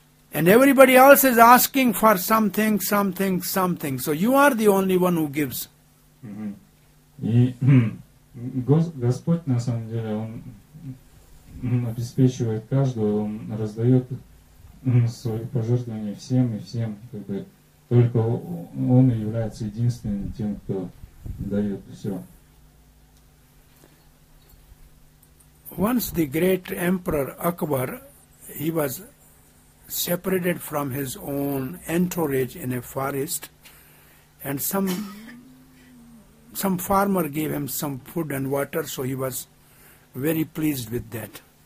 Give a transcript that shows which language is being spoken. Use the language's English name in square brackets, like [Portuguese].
[English] And everybody else is asking for something, something, something. So you are the only one who gives. [Russian] И Господь, на самом деле, Он обеспечивает каждого, Он раздает свои пожертвования всем и всем. Как бы, только Он является единственным тем, кто дает все. [English] Once the great emperor Akbar, he was separated from his own entourage in a forest, and some farmer gave him some food and water, so he was very pleased with that.